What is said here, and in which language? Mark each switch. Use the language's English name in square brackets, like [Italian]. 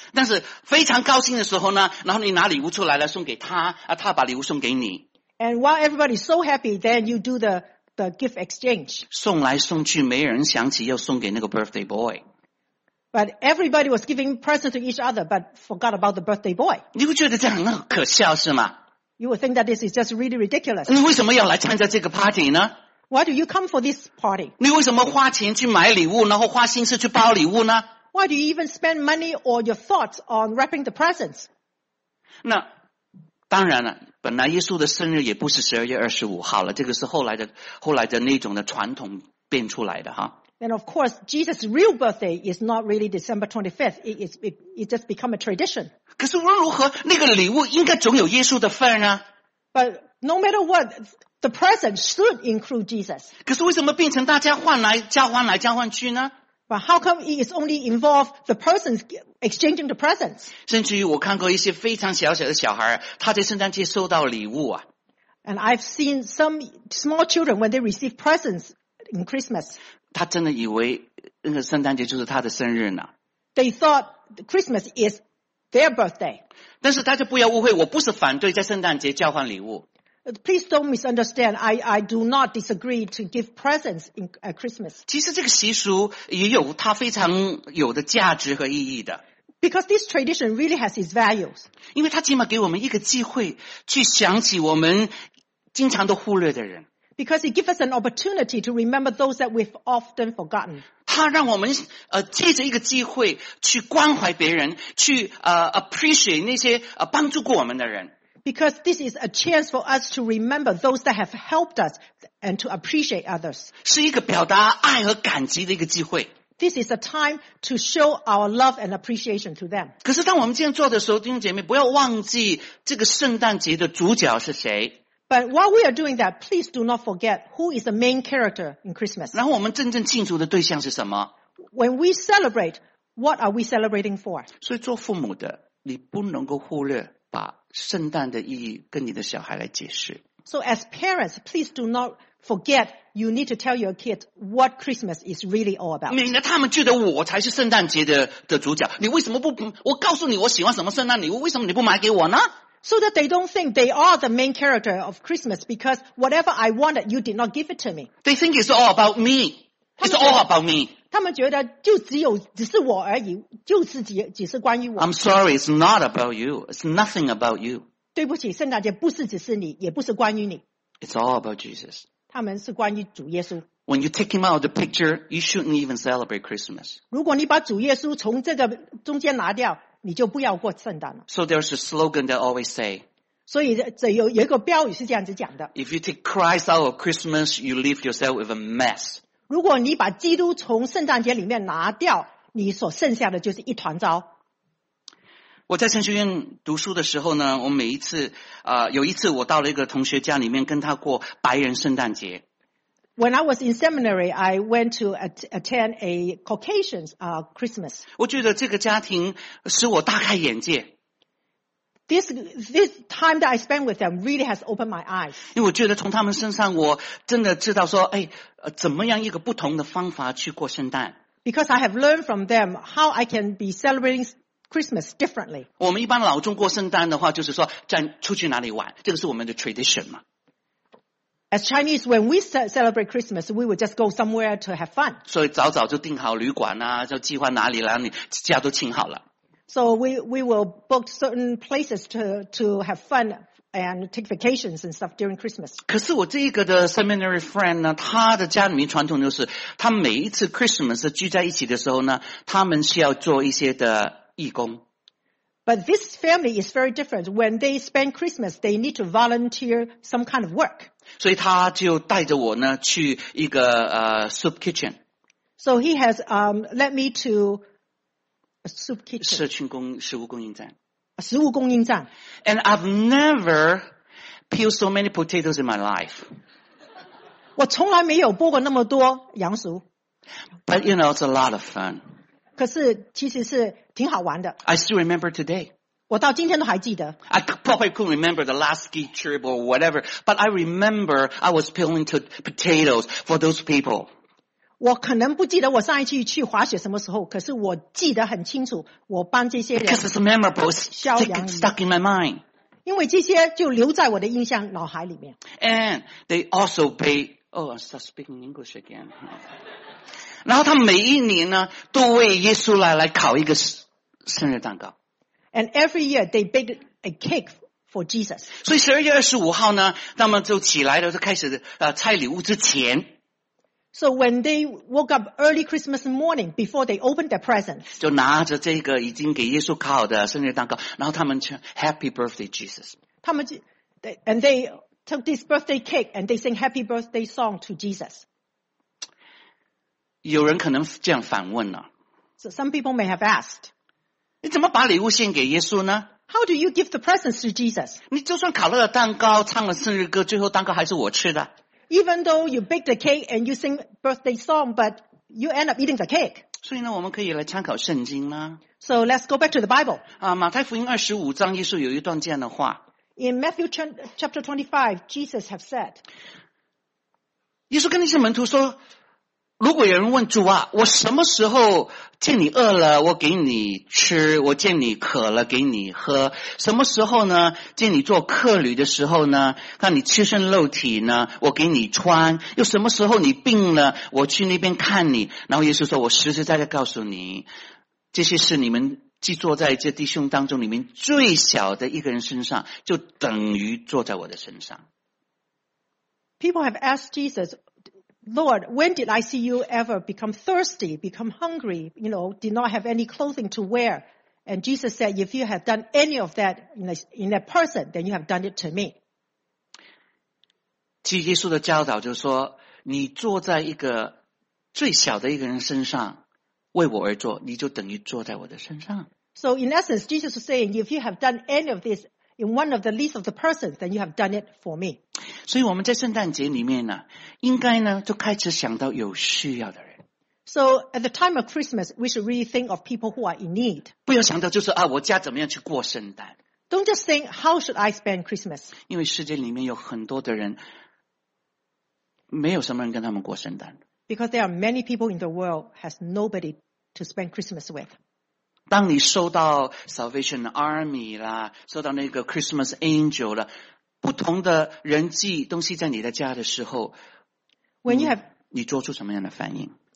[Chinese] 但是非常高兴的时候呢，然后你拿礼物出来了，送给他，他把礼物送给你。 [English] And while everybody is so happy, then you do the gift exchange. [Chinese] 送来送去，没人想起要送给那个 [English] birthday boy. But everybody was giving presents to each other, but forgot about the birthday boy. [Chinese] 你会觉得这样很可笑是吗？ [English] You would think that this is just really ridiculous. [Chinese] 你为什么要来参加这个 party 呢？ [English] Why do you come for this party? [Chinese] 你为什么花钱去买礼物，然后花心思去包礼物呢？ [English] Why do you even spend money or your thoughts on wrapping the presents? [Chinese] 那当然了，本来耶稣的生日也不是12月25号了，这个是后来的那种的传统变出来的哈。 [English] And of course, Jesus' real birthday is not really December 25th. It just become a tradition. [Chinese] 可是无论如何，那个礼物应该总有耶稣的份啊。 [English] But no matter what, the present should include Jesus. [Chinese] 可是为什么变成大家换来交换来交换去呢？ [English] But how come it is only involved the persons exchanging the presents? [Chinese] 甚至于我看过一些非常小小的小孩，他在圣诞节收到礼物啊。 [English] And I've seen some small children when they receive presents in Christmas. [Chinese] 他真的以为那个圣诞节就是他的生日呢。 [English] They thought Christmas is their birthday. [Chinese] 但是大家不要误会，我不是反对在圣诞节交换礼物。 [English] Please don't misunderstand. I do not disagree to give presents in Christmas. [Chinese] 其实这个习俗也有它非常有的价值和意义的。 [English] Because this tradition really has its values. [Chinese] 因为它起码给我们一个机会去想起我们经常都忽略的人。 [English] Because it gives us an opportunity to remember those that we've often forgotten. [Chinese] 它让我们借着一个机会去关怀别人，去 [English] appreciate [Chinese] 那些帮助过我们的人。 [English] Because this is a chance for us to remember those that have helped us and to appreciate others. [Chinese] 是一个表达爱和感激的一个机会。 [English] This is a time to show our love and appreciation to them. [Chinese] 可是当我们这样做的时候，弟兄姐妹，不要忘记这个圣诞节的主角是谁。 [English] But while we are doing that, please do not forget who is the main character in Christmas. [Chinese] 然后我们真正庆祝的对象是什么？ [English] When we celebrate, what are we celebrating for? [Chinese] 所以做父母的，你不能够忽略把圣诞的意义跟你的小孩来解释。 [English] So as parents, please do not forget you need to tell your kids what Christmas is really all about. [Chinese] 免得他们觉得我才是圣诞节 的主角。你为什么不，我告诉你我喜欢什么圣诞礼物，为什么你不买给我呢？ [English] So that they don't think they are the main character of Christmas because whatever I wanted, you did not give it to me. They think it's all about me. It's all about me. [Chinese] 他们觉得就只有只是我而已，就是只是关于我。 [English] I'm sorry, it's not about you. It's nothing about you. [Chinese] 对不起，圣诞节不是只是你，也不是关于你。 [English] It's all about Jesus. [Chinese] 他们是关于主耶稣。 [English] When you take him out of the picture, you shouldn't even celebrate Christmas. [Chinese] 如果你把主耶稣从这个中间拿掉，你就不要过圣诞了。 [English] So there's a slogan that always say. [Chinese] 所以这有一个标语是这样子讲的。 [English] If you take Christ out of Christmas, you leave yourself with a mess. [Chinese] 如果你把基督从圣诞节里面拿掉，你所剩下的就是一团糟。我在神学院读书的时候呢，我每一次有一次我到了一个同学家里面跟他过白人圣诞节。 [English] When I was in seminary, I went to attend a Caucasian Christmas. [Chinese] 我觉得这个家庭使我大开眼界。 [English] This time that I spent with them really has opened my eyes. [Chinese] 因为我觉得从他们身上，我真的知道说，哎，怎么样一个不同的方法去过圣诞。 [English] Because I have learned from them how I can be celebrating Christmas differently. [Chinese] 我们一般老中过圣诞的话，就是说在出去哪里玩，这个是我们的 [English] tradition [Chinese] 嘛。 [English] As Chinese, when we celebrate Christmas, we would just go somewhere to have fun. [Chinese] 所以早早就订好旅馆啊，就计划哪里哪里，家都请好了。 [English] So we will book certain places to have fun and take vacations and stuff during Christmas. [Chinese] 可是我这个的 [English] seminary friend [Chinese] 呢，他的家里面传统就是，他每一次 Christmas 聚在一起的时候呢，他们需要做一些的义工。 [English] But this family is very different. When they spend Christmas, they need to volunteer some kind of work. [Chinese] 所以他就带着我呢去一个soup kitchen. [English] So he has led me to a soup kitchen. [Chinese] 社群供食物供应站。食物供应站。 [English] And I've never peeled so many potatoes in my life. [Chinese] 我从来没有剥过那么多洋薯。 [English] But you know, it's a lot of fun. [Chinese] 可是其实是挺好玩的。 [English] I still remember today. [Chinese] 我到今天都还记得。 [English] I probably couldn't remember the last ski trip or whatever, but I remember I was peeling potatoes for those people. [Chinese] 我可能不记得我上一次去滑雪什么时候，可是我记得很清楚，我帮这些人。 [English] Because it's memorable, stuck in my mind. [Chinese] 因为这些就留在我的印象脑海里面。 [English] And they also pay. Oh, I start speaking English again. [Chinese] 然后他每一年呢，都为耶稣来烤一个生日蛋糕。 [English] And every year they bake a cake for Jesus. [Chinese] 所以12月25号呢，他们就起来了，就开始拆礼物之前。 [English] So when they woke up early Christmas morning before they opened their presents. [Chinese] 就拿着这个已经给耶稣烤好的生日蛋糕，然后他们唱 [English] Happy Birthday Jesus. And they took this birthday cake and they sing Happy Birthday song to Jesus. [Chinese] 有人可能这样反问了。 [English] So some people may have asked. [Chinese] 你怎么把礼物献给耶稣呢 [English] ？How do you give the presents to Jesus？ [Chinese] 你就算烤了蛋糕，唱了生日歌，最后蛋糕还是我吃的。 [English] Even though you bake the cake and you sing birthday song, but you end up eating the cake。 [Chinese] 所以呢，我们可以来参考圣经啦。 [English] So let's go back to the Bible。 [Chinese] 啊，马太福音25章，耶稣有一段这样的话。 [English] In Matthew chapter 25, Jesus have said， [Chinese] 耶稣跟那些门徒说。如果有人问主啊，我什么时候见你饿了，我给你吃；我见你渴了，给你喝。什么时候呢？见你做客旅的时候呢？看你赤身肉体呢，我给你穿。又什么时候你病了，我去那边看你？然后耶稣说：“我实实在在告诉你，这些事你们既坐在这弟兄当中，里面最小的一个人身上，就等于坐在我的身上。” [English] People have asked Jesus. Lord, when did I see you ever become thirsty, become hungry, you know, did not have any clothing to wear? And Jesus said, if you have done any of that in that person, then you have done it to me. [Chinese] 其实耶稣的教导就是说，你坐在一个最小的一个人身上，为我而坐，你就等于坐在我的身上。 [English] So in essence, Jesus was saying, if you have done any of this,In one of the least of the persons, then you have done it for me. [Chinese] 所以我们在圣诞节里面呢，应该呢就开始想到有需要的人。 [English] So at the time of Christmas, we should really think of people who are in need. [Chinese] 不要想到就是啊，我家怎么样去过圣诞。 [English] Don't just think how should I spend Christmas. [Chinese] 因为世界里面有很多的人，没有什么人跟他们过圣诞。 [English] Because there are many people in the world has nobody to spend Christmas with. [Chinese] 当你收到 Salvation Army 啦，收到那个 Christmas Angel 啦，不同的人际东西在你的家的时候 [English] ，When you have [Chinese] 你做出什么样的反应